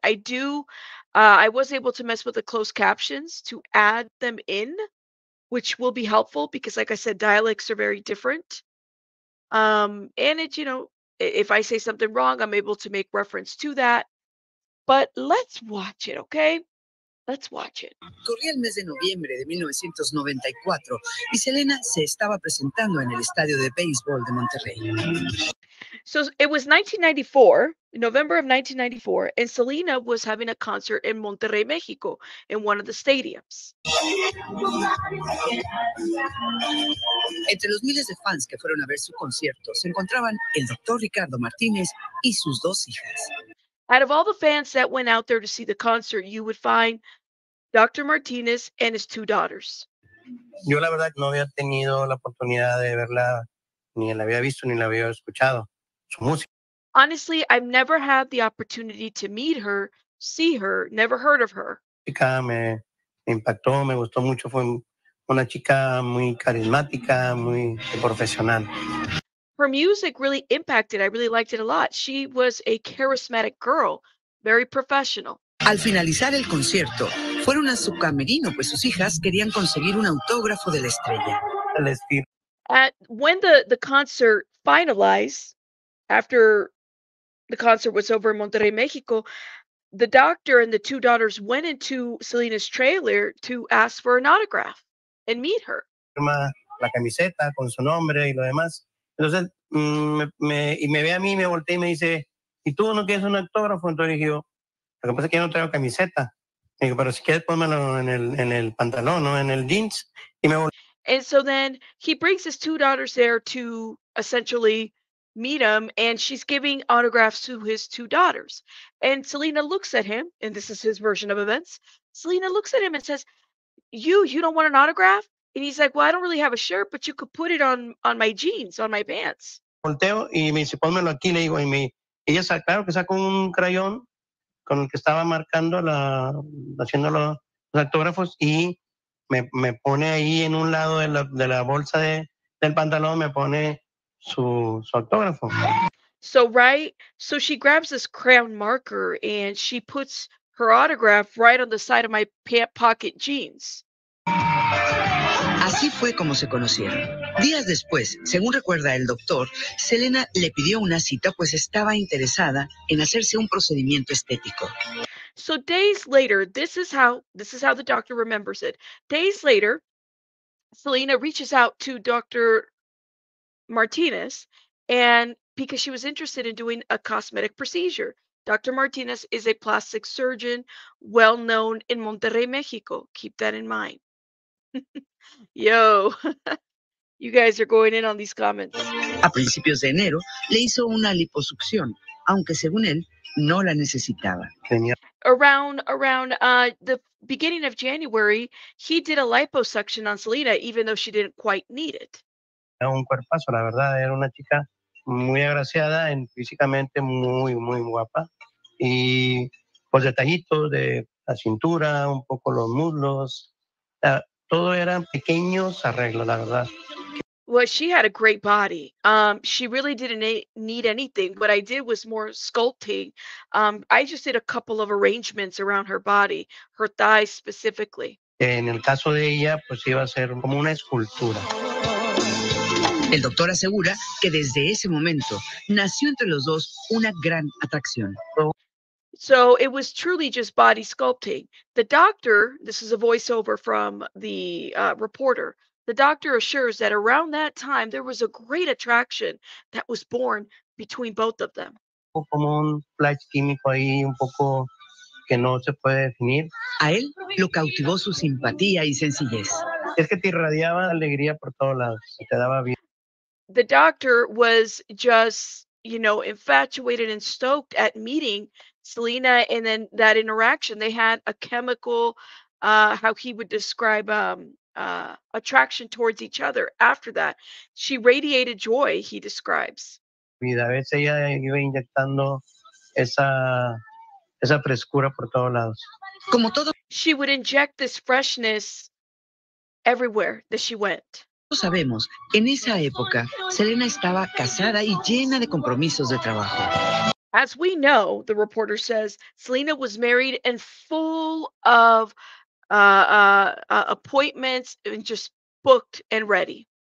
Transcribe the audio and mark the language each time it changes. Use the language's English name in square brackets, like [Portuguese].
[English] I was able to mess with the closed captions to add them in, which will be helpful because, like I said, dialects are very different. And it, you know, if I say something wrong, I'm able to make reference to that. But let's watch it, okay? Let's watch it. [Spanish] Corría el mes de noviembre de 1994 y Selena se estaba presentando en el estadio de béisbol de Monterrey. [English] So it was 1994, November of 1994, and Selena was having a concert in Monterrey, Mexico, in one of the stadiums. [Spanish] Entre los miles de fans que fueron a ver su concierto se encontraban el doctor Ricardo Martinez y sus 2 hijas. [English] Out of all the fans that went out there to see the concert, you would find Dr. Martinez and his 2 daughters. [Spanish] Yo la verdad no había tenido la oportunidad de verla, ni la había visto, ni la había escuchado. Su música. [English] Honestly, I've never had the opportunity to meet her, see her, never heard of her. [Spanish] Chica me impactó, me gustó mucho. Fue una chica muy carismática, muy profesional. [English] Her music really impacted. I really liked it a lot. She was a charismatic girl, very professional. [Spanish] Al finalizar el concierto, fueron a su camerino pues sus hijas querían conseguir un autógrafo de la estrella. [English] When the concert finalized, after the concert was over in Monterrey, Mexico, the doctor and the 2 daughters went into Selena's trailer to ask for an autograph and meet her. [Spanish] La camiseta con su nombre y lo demás. Entonces, me ve a mí, me volteé y me dice, ¿y tú no quieres un autógrafo? Entonces, dije yo, lo que pasa es que yo no traigo camiseta. Digo, pero si quieres, pónmelo en el pantalón, ¿no? En el jeans. Y me volteé. [English] And so then, he brings his 2 daughters there to essentially meet him, and she's giving autographs to his 2 daughters. And Selena looks at him, and this is his version of events. Selena looks at him and says, you don't want an autograph? And he's like, well, I don't really have a shirt, but you could put it on my jeans, on my pants. [Spanish] Volteo y me dice, pónmelo aquí, le digo, ella saca, claro que saca un crayón con el que estaba marcando, haciendo los autógrafos, y me pone ahí en un lado de la bolsa del pantalón, me pone su autógrafo. [English] So, right, so she grabs this crayon marker and she puts her autograph right on the side of my pant pocket jeans. [Spanish] Así fue como se conocieron. Días después, según recuerda el doctor, Selena le pidió una cita pues estaba interesada en hacerse un procedimiento estético. [English] So days later, this is how the doctor remembers it. Days later, Selena reaches out to Dr. Martinez and because she was interested in doing a cosmetic procedure. Dr. Martinez is a plastic surgeon well known in Monterrey, Mexico. Keep that in mind. Yo, you guys are going in on these comments. [Spanish] A principios de enero, le hizo una liposucción, aunque según él, no la necesitaba. [English] Around the beginning of January, he did a liposuction on Selena, even though she didn't quite need it. [Spanish] Era un cuerpazo, la verdad. Era una chica muy agraciada, físicamente muy, muy guapa. Y pues detallitos de la cintura, un poco los muslos. Todo eran pequeños arreglos, la verdad. [English] Well, she had a great body. She really didn't need anything. What I did was more sculpting. I just did a couple of arrangements around her body, her thighs specifically. [Spanish] En el caso de ella, pues iba a ser como una escultura. El doctor asegura que desde ese momento nació entre los dos una gran atracción. [English] So it was truly just body sculpting. The doctor, this is a voiceover from the reporter, the doctor assures that around that time, there was a great attraction that was born between both of them. [Spanish] Como un flash químico ahí, un poco que no se puede definir, A él lo cautivó su simpatía y sencillez. Es que te irradiaba alegría por todos lados, te daba bien. [English] The doctor was just, you know, infatuated and stoked at meeting Selena, and then that interaction, they had a chemical, how he would describe attraction towards each other. After that, she radiated joy, he describes. [Spanish] A veces ella iba inyectando esa frescura por todos lados. Como todo, [English] she would inject this freshness everywhere that she went. [Spanish] Todos sabemos, en esa época, Selena estaba casada y llena de compromisos de trabajo. [English] As we know, the reporter says, Selena was married and full of appointments and just booked and ready.